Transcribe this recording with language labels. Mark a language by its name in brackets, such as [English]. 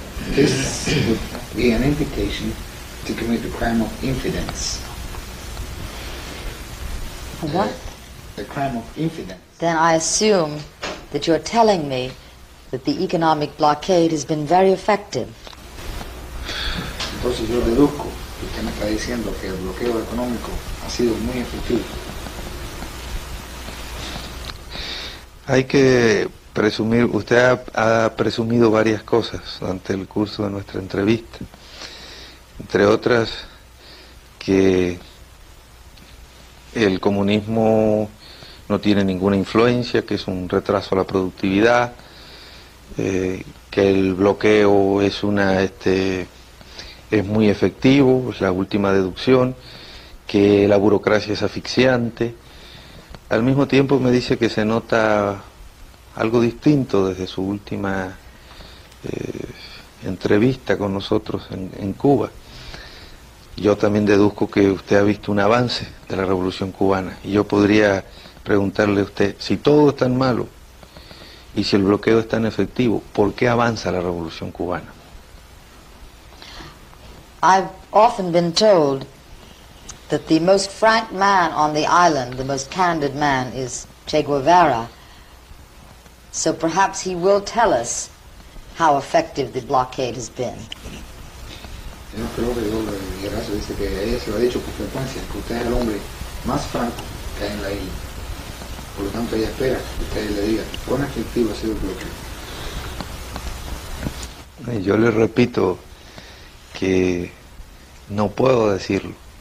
[English] This would be an invitation to commit the crime of infidence. What? The crime of infidence. Then I assume that you're telling me that the economic blockade has been very effective. [Spanish] Entonces yo deduzco que usted me está diciendo que el bloqueo económico ha sido muy efectivo. Hay que presumir, usted ha presumido varias cosas durante el curso de nuestra entrevista, entre otras que el comunismo no tiene ninguna influencia, que es un retraso a la productividad, que el bloqueo es una es muy efectivo, es la última deducción, que la burocracia es asfixiante. Al mismo tiempo me dice que se nota algo distinto desde su última entrevista con nosotros en Cuba. Yo también deduzco que usted ha visto un avance de la revolución cubana y yo podría preguntarle a usted, si todo es tan malo y si el bloqueo es tan efectivo, ¿por qué avanza la revolución cubana? [English] I've often been told that the most frank man on the island, the most candid man, is Che Guevara. So perhaps he will tell us how effective the blockade has been. [Spanish] Yo creo que Guevara dice que ella se lo ha dicho con frecuencia, que usted es el hombre más franco que hay en la isla. Por lo tanto, ella espera que usted le diga cuán efectivo ha sido el bloqueo. Yo le repito que No puedo decirlo.